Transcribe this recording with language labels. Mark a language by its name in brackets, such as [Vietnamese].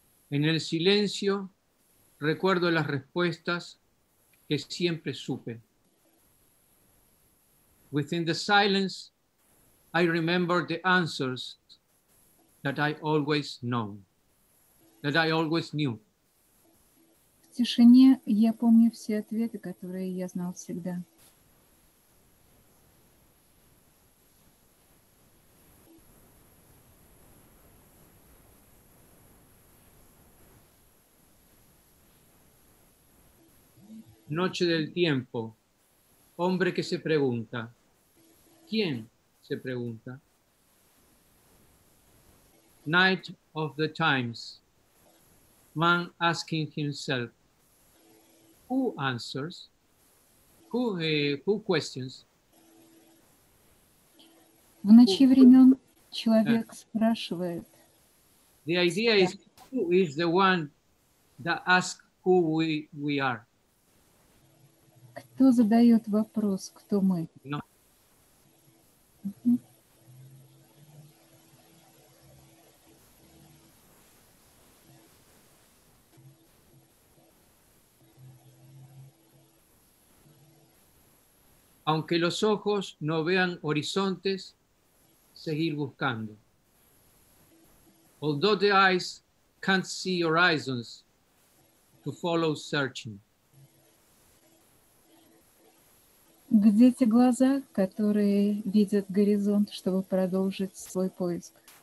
[Spanish] En el silencio recuerdo las respuestas que siempre supe. [English] Within the silence, I remember the answers that I always know, that I always knew. [Russian] В тишине я помню все ответы, которые я знал всегда. [Spanish] Noche del tiempo, hombre que se pregunta, ¿quién se pregunta? [English] Night of the times, man asking himself, who answers, who questions? [Russian] В ночи времен человек спрашивает. [English] The idea is, who is the one that asks who we are? [Russian] Кто задает вопрос, кто мы? [English] No. [Spanish] Aunque los ojos no vean horizontes, seguir buscando. [English] Although the eyes can't see horizons, to follow searching. [Russian] Где те глаза, которые видят горизонт, чтобы продолжить свой поиск?